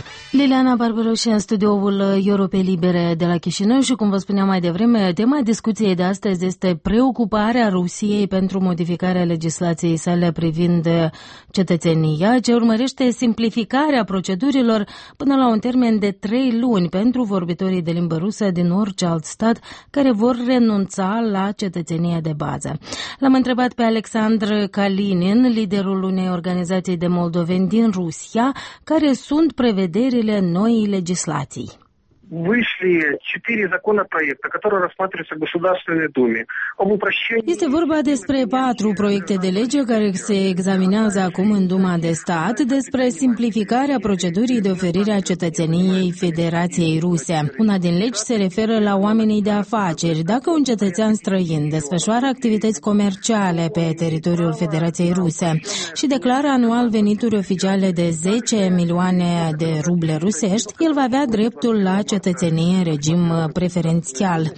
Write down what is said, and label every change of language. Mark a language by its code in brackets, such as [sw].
[ro] Liliana Barbăroșe în studioul Europa Liberă de la Chișinău și, cum vă spuneam mai devreme, tema discuției de astăzi este preocuparea Rusiei pentru modificarea legislației sale privind cetățenia, ce urmărește simplificarea procedurilor până la un termen de 3 luni pentru vorbitorii de limbă rusă din orice alt stat care vor renunța la cetățenia de bază. L-am întrebat pe Alexandr Kalinin, liderul unei organizații de moldoveni din Rusia, care sunt prevederi noi legislații. [ru] Вышли 4 законопроекта, которые рассматриваются в Государственной Думе. Об упрощении. [ro] Este vorba despre 4 proiecte de lege care se examinează acum în Duma de Stat, despre simplificarea procedurii de oferire a cetățeniei Federației Ruse. Una din legi se referă la oamenii de afaceri. Dacă un cetățean străin desfășoară activități comerciale pe teritoriul Federației Ruse și declară anual venituri oficiale de 10 milioane de ruble rusești, el va avea dreptul la cetățenie în regim preferențial.